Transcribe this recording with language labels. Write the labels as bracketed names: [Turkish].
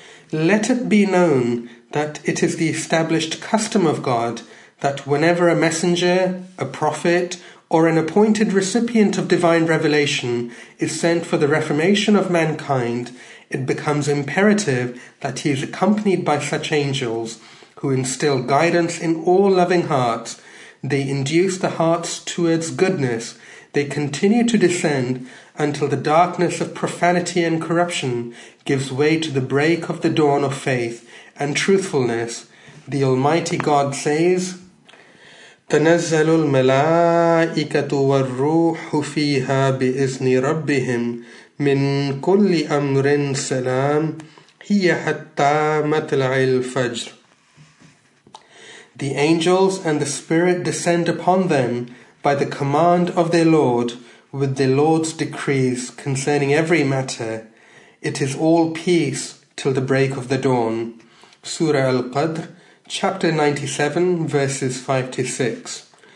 [English] Let it be known that it is the established custom of God that whenever a messenger, a prophet, or an appointed recipient of divine revelation is sent for the reformation of mankind, it becomes imperative that he is accompanied by such angels who instill guidance in all loving hearts. They induce the hearts towards goodness. They continue to descend until the darkness of profanity and corruption gives way to the break of the dawn of faith and truthfulness. The Almighty God says, [Arabic] تنزل الملائكة والروح فيها بإذن ربهم من كل أمر سلام هي حتى مطلع الفجر. [English] The angels and the spirit descend upon them by the command of their Lord with their Lord's decrees concerning every matter. It is all peace till the break of the dawn. Surah Al-Qadr, Chapter 97, verses 5 to 6.